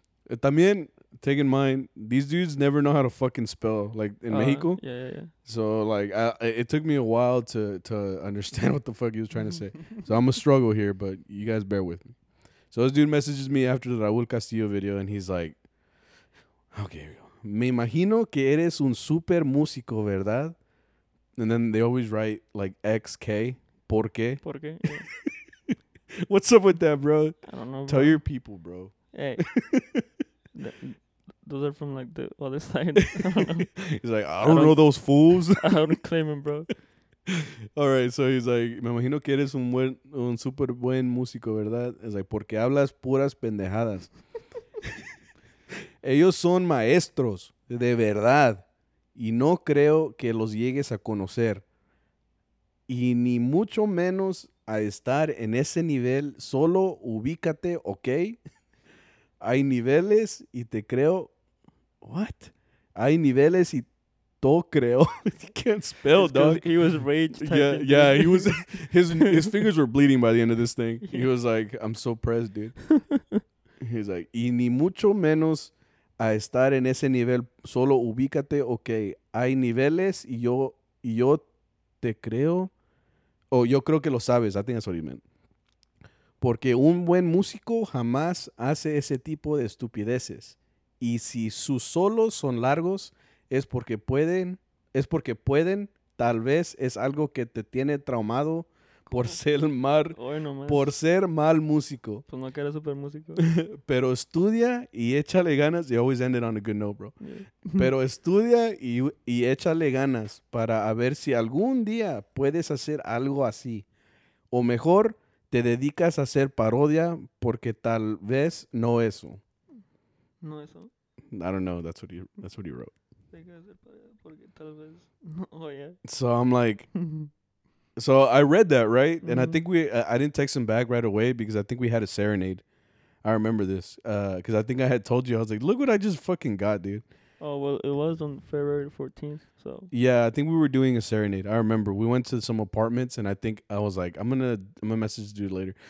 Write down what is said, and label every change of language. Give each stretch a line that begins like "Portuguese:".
English: También. Take in mind, these dudes never know how to fucking spell, like, in Mexico. Yeah. So, like, it took me a while to understand what the fuck he was trying to say. So, I'm a struggle here, but you guys bear with me. So, this dude messages me after the Raul Castillo video, and he's like, okay, here we go.
Spanish: Me imagino que eres un super músico, ¿verdad?
English: And then they always write like XK.
Spanish: ¿Por qué? ¿Por qué?
English: Yeah. What's up with that, bro? I don't know, bro. Tell your people, bro. Hey. Those are from like the other side. I don't know. He's like, I don't know those fools. I don't claim him, bro. All right, so he's like,
Spanish: me imagino que eres un super buen músico, ¿verdad?
English: It's like,
Spanish: porque hablas puras pendejadas. Ellos son maestros, de verdad. Y no creo que los llegues a conocer. Y ni mucho menos a estar en ese nivel. Solo ubícate, ¿ok? Hay niveles y te creo.
English: What?
Spanish: Hay niveles y to creo.
English: You can't spell, dog. He was rage typing. Yeah, he was. His fingers were bleeding by the end of this thing. Yeah. He was like, I'm so pressed, dude. He's like,
Spanish: y ni mucho menos a estar en ese nivel. Solo ubícate, okay. Hay niveles y yo te creo.
English: Oh,
Spanish: yo creo que lo sabes.
English: I think that's what he meant.
Spanish: Porque un buen músico jamás hace ese tipo de estupideces. Y si sus solos son largos, es porque pueden, tal vez es algo que te tiene traumado por ser mal músico. Pues no, que eres super músico. Pero estudia y échale ganas.
English: You always end it on a good note, bro. Yeah.
Spanish: Pero estudia y échale ganas para a ver si algún día puedes hacer algo así. O mejor, te dedicas a hacer parodia porque tal vez no eso. No eso.
English: I don't know. That's what he wrote.
Spanish: Dedicas a hacer parodia porque tal vez no.
English: Oh, yeah. So I'm like, so I read that, right? Mm-hmm. And I think I didn't text him back right away because I think we had a serenade. I remember this because I think I had told you. I was like, look what I just fucking got, dude. Oh, well, it was on February 14th, so. Yeah, I think we were doing a serenade. I remember. We went to some apartments, and I think I was like, I'm gonna message the dude later.